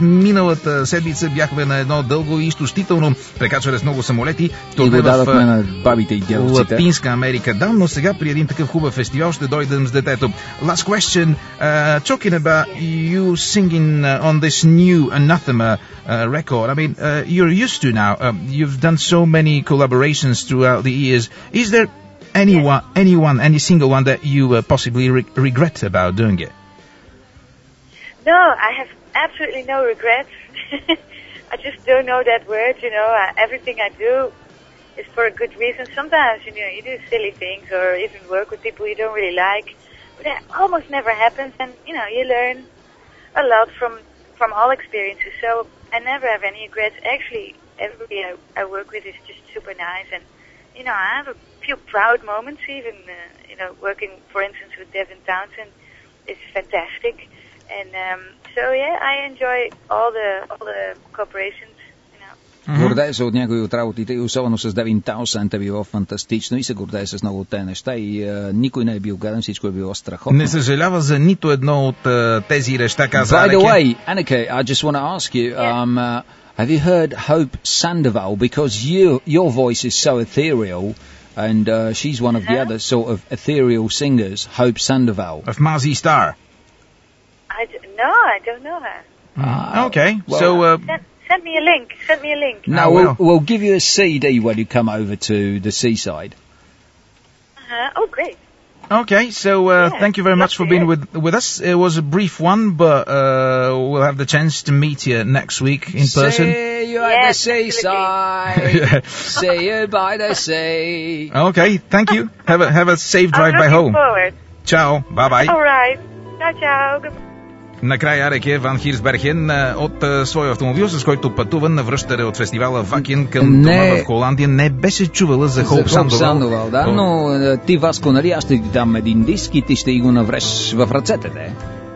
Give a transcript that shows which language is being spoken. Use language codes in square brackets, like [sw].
[bg] Миналата седмица бяхме на едно дълго и изтощително, прекачване с много самолети. И го дадохме на бабите и дядовците. Латинска Америка, да, но сега при един такъв хубав фестивал ще дойдем с детето. [en] Last question, talking about you singing on this new Anathema record. I mean, you're used to now. You've done so many collaborations throughout the years. Is there any single one that you possibly regret about doing it? No, I have absolutely no regrets. I just don't know that word, you know. Everything I do is for a good reason. Sometimes, you know, you do silly things or even work with people you don't really like. But that almost never happens. And, you know, you learn a lot from all experiences, so I never have any regrets. Actually, everybody I work with is just super nice, and you know, I have a few proud moments. Even you know, working for instance with Devin Townsend is fantastic, and so yeah, I enjoy all the cooperation. Mm-hmm. [bg] Гордея се от някои от работите, особено с Девин Таунсенд, е било фантастично и се гордея с много от тези неща, и никой не е бил гаден, всичко е било страхотно. Не съжалява за нито едно от тези неща, каза [en] Анеке. By the way, Anneke, I just want to ask you, have you heard Hope Sandoval? Because your voice is so ethereal, and she's one of the other sort of ethereal singers, Hope Sandoval. Of Mazi Star. I don't know her. Okay, well, so... Send me a link. Now, we'll give you a CD when you come over to the seaside. Oh, great. Okay, so thank you very much for being with us. It was a brief one, but we'll have the chance to meet you next week in person. See you at the seaside. See you by the sea. Okay, thank you. Have a safe drive back home. Forward. Ciao. Bye-bye. All right. Ciao, ciao. Goodbye. [bg] Накрая Ареке Ван Хирсберген от своя автомобил, с който пътува на връщане от фестивала Вакин към не, дома в Холандия, не беше чувала за Хоуп Сандовал. Сандовал, да, но ти, Васко, нали, аз ще ти дам един диск и ти ще го навреш в ръцете, да.